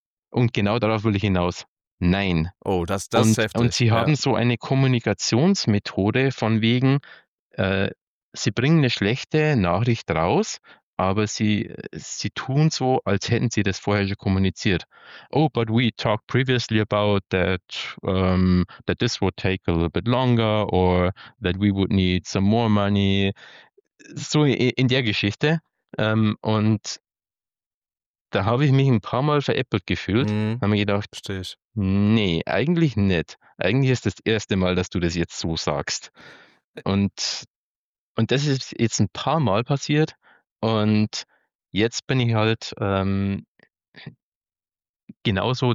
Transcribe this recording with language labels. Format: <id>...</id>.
<de>Und genau darauf will ich hinaus. Nein. Oh, das ist Und heftig, sie ja. haben so eine Kommunikationsmethode von wegen, sie bringen eine schlechte Nachricht raus. Aber sie tun so, als hätten sie das vorher schon kommuniziert.</de> <en>Oh, but we talked previously about that this would take a little bit longer or that we would need some more money.</en> <de>So in der Geschichte. Und da habe ich mich ein paar Mal veräppelt gefühlt. Habe mir gedacht, Verstehe ich. nee, eigentlich nicht. Eigentlich ist das erste Mal, dass du das jetzt so sagst. Und das ist jetzt ein paar Mal passiert. Und jetzt bin ich halt genauso.</de>